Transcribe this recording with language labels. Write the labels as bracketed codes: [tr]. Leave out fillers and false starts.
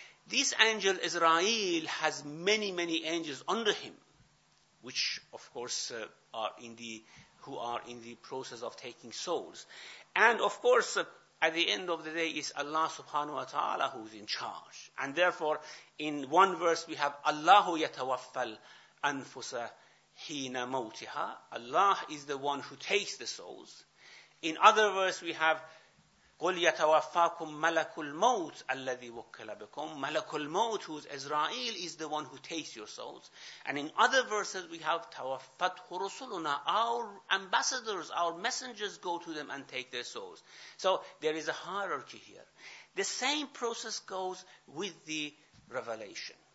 [en] This angel, Israel, has many, many angels under him, which, of course, are in the process of taking souls. And, of course, at the end of the day, it's Allah subhanahu wa ta'ala who is in charge. And therefore, in one verse, we have [ar] Allahu yatawaffal anfusa hina mawtiha. [en] Allah is the one who takes the souls. In other verse, we have [ar] قُلْ يَتَوَفَّاكُمْ مَلَكُ الْمَوْتِ الَّذِي وَكَّلَ بِكُمْ. مَلَكُ الْمَوْتِ, [en] who is Israel, is the one who takes your souls. And in other verses we have [ar] تَوَفَّتْهُ رُسُلُنَا, [en] our ambassadors, our messengers go to them and take their souls. So there is a hierarchy here. The same process goes with the revelation.